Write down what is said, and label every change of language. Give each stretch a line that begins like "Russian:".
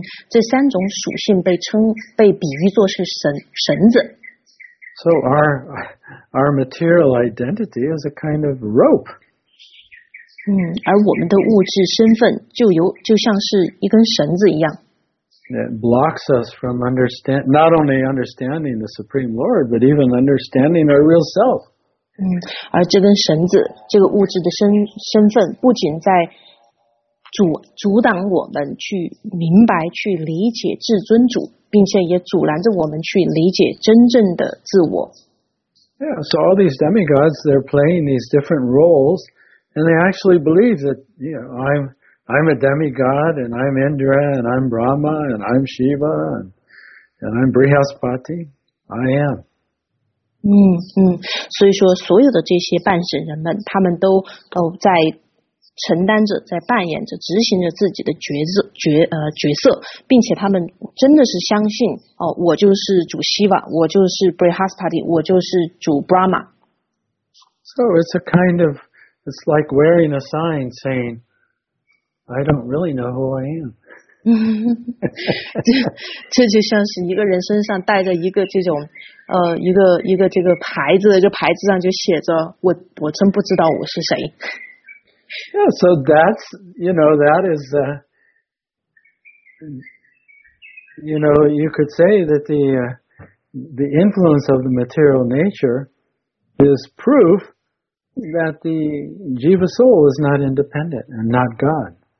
Chinese: 这三种属性被比喻作是绳子。
English: So our material identity is a kind of rope.
Chinese: 而我们的物质身份就像是一根绳子一样。
English: It blocks us from not only understanding the Supreme Lord, but even understanding our real self.
Chinese: 而这根绳子，这个物质的身份，不仅在阻挡我们去明白、去理解至尊主。并且也阻拦着我们去理解真正的自我。
English: Yeah, so all these demigods, they're playing these different roles, and they actually believe that, you know, I'm a demigod, and I'm Indra, and I'm Brahma, and I'm Shiva, and I'm Brihaspati. I am.
Chinese: 所以说所有的这些半神人们，他们都在承担着，在扮演着，执行着自己的角色，并且他们真的是相信我就是主 Shiva, 我就是 Brihaspati, 我就是主 Brahma.
English: So it's a kind of, it's like wearing a sign saying, I don't really know who I am.
Chinese: 这就像是一个人身上带着一个这种一个这个牌子，这牌子上就写着我真不知道我是谁。
English: Yeah, so that's, you know, that is, you know, you could say that the, the influence of the material nature is proof that the jiva soul is not independent and not God.